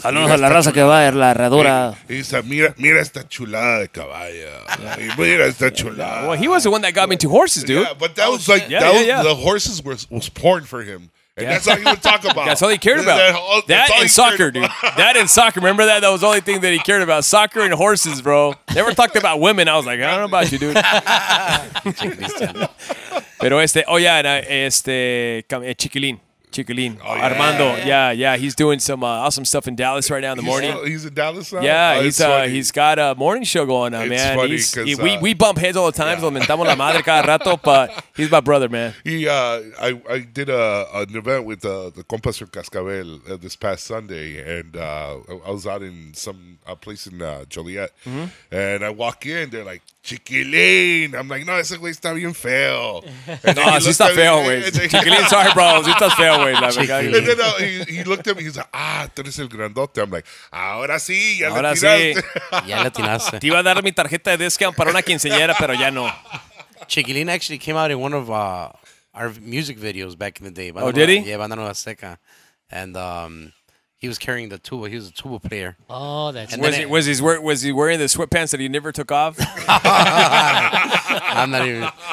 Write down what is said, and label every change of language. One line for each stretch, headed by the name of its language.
Spanish: Saludos a la raza que va a la herradura.
English: He said,
Spanish: mira esta chulada de caballo. Mira esta chulada.
English: Well, he was the one that got me into horses, dude. Yeah, but that was like, the horses was porn for him. And yeah. that's all he would talk about. That's all he cared about. That and soccer, dude. That and soccer. Remember that? That was the only thing that he cared about. Soccer and horses, bro. Never talked about women. I was like, I don't know about you, dude.
Spanish: Pero Chiquilín. Chiquilín.
English: Oh, yeah. Armando. Yeah, yeah. He's doing some awesome stuff in Dallas right now in the morning. He's in Dallas now? Yeah, he's got a morning show going on, man. It's funny. We bump heads all the time. Yeah.
Spanish: Lamentamos la madre cada rato,
English: but he's my brother, man. I did an event with the Compas de Cascabel this past Sunday, and I was out in a place in Joliet, mm-hmm. and I walk in, they're like, Chiquilín. I'm like,
Spanish: no, ese güey está bien feo. No, sí está feo, güey. Chiquilín,
English: sorry, bro.
Spanish: Sí está feo, güey.
English: And then he looked at me, he's like,
Spanish: tú eres el grandote.
English: I'm like,
Spanish: ahora sí, ya ahora le tiraste. Sí. Ya le tiraste. Te iba a dar mi tarjeta de discount para una quinceañera, pero ya no.
English: Chiquilín actually came out in one of our music videos back in the day. Banda did he? Yeah, Banda Nueva Seca. And he was carrying the tuba. He was a tuba player. Oh, that's was it. Was he wearing the sweatpants that he never took off? I'm not even.